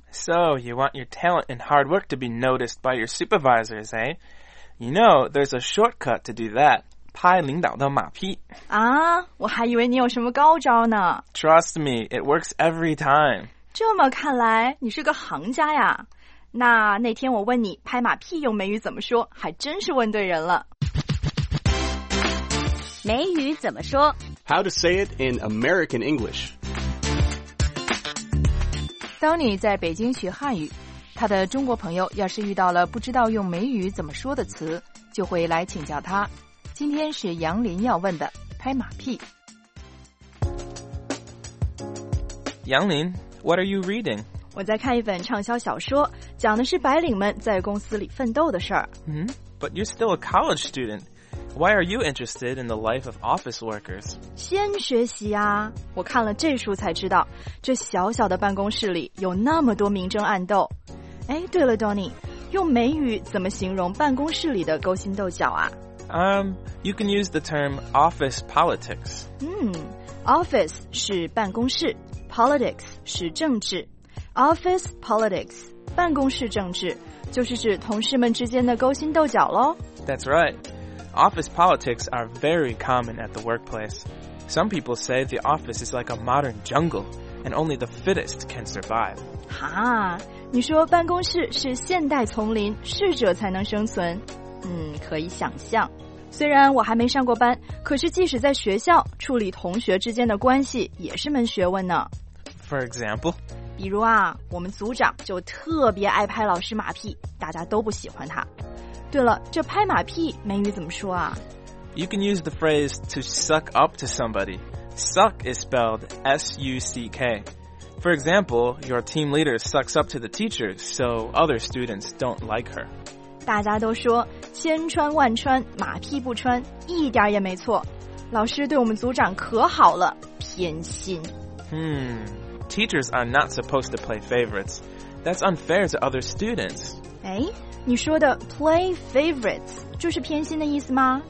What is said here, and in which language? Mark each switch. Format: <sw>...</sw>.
<en>So you want your talent and hard work to be noticed by your supervisors, eh? You know, there's a shortcut to do that.</en> <zh>拍领导的马屁啊！我还以为你有什么高招呢。</zh> <en>Trust me, it works every time.</en> <zh>这么看来，你是个行家呀。那天我问你拍马屁用美语怎么说，还真是问对人了。美语怎么说</zh> <en>？How to say it in American English?</en> <zh>Tony 在北京学汉语，他的中国朋友要是遇到了不知道用美语怎么说的词，就会来请教他。今天是杨林要问的拍马屁。</zh> <en>杨林 ,what are you reading?</en> <zh>我在看一本畅销小说，讲的是白领们在公司里奋斗的事儿。</zh> <en>But you're still a college student. Why are you interested in the life of office workers?</en> <zh>先学习啊，我看了这书才知道，这小小的办公室里有那么多明争暗斗。哎，对了 Donny, 用美语怎么形容办公室里的勾心斗角啊？</zh> <en>You can use the term office politics.</en> <zh>Office 是办公室 ,politics 是政治。 Office politics, 办公室政治，就是指同事们之间的勾心斗角咯。</zh> <en>That's right. office politics are very common at the workplace. Some people say the office is like a modern jungle, and only the fittest can survive.</en> <zh>哈，你说办公室是现代丛林，适者才能生存。可以想象。虽然我还没上过班，可是即使在学校，处理同学之间的关系也是门学问呢。</zh> <en>For example?</en> <zh>比如啊，我们组长就特别爱拍老师马屁，大家都不喜欢他。对了，这拍马屁美语怎么说啊？</zh> <en>You can use the phrase to suck up to somebody. Suck is spelled S-U-C-K. For example, your team leader sucks up to the teacher, so other students don't like her.</en> <zh>大家都说千穿万穿马屁不穿，一点也没错。老师对我们组长可好了，偏心。</zh> <en>Teachers are not supposed to play favorites. That's unfair to other students.</en> <zh>哎，你说的 play favorites 就是偏心的意思吗？</zh>